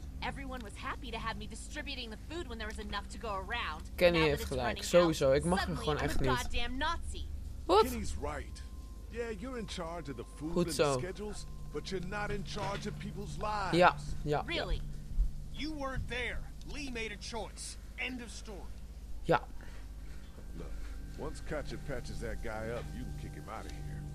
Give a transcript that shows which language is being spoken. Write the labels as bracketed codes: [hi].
[en] Everyone was happy to have me distributing the food when there was enough to go around. [nl] Kenny heeft gelijk, sowieso. Ik mag er gewoon echt niet. Wat? [en] Kenny's right. Yeah, you're in charge of the food and schedules, but you're not in charge of people's lives. [nl] Ja, ja. [en] Really? You weren't there. Lee made a choice. End of story. [nl] Ja. [en] Look, once Katja patches that guy up, you can kick him out of here.